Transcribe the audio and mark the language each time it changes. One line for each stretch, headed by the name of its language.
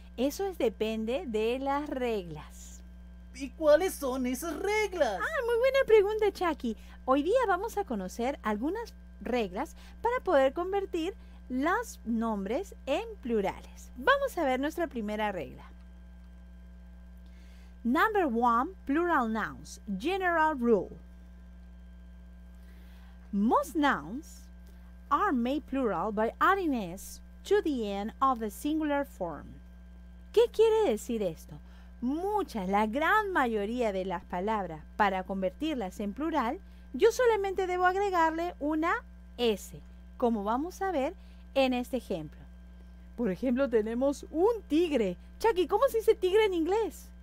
Spanish: Eso depende de las reglas. ¿Y cuáles son esas reglas? Ah, muy buena pregunta, Chucky. Hoy día vamos a conocer algunas reglas para poder convertir los nombres en plurales. Vamos a ver nuestra primera regla.
English: Number one, plural nouns, general rule. Most nouns are made plural by adding s to the end of the singular form.
Spanish: ¿Qué quiere decir esto? Muchas, la gran mayoría de las palabras, para convertirlas en plural, yo solamente debo agregarle una s, como vamos a ver en este ejemplo. Por ejemplo, tenemos un tigre. Chucky, ¿cómo se dice tigre en inglés?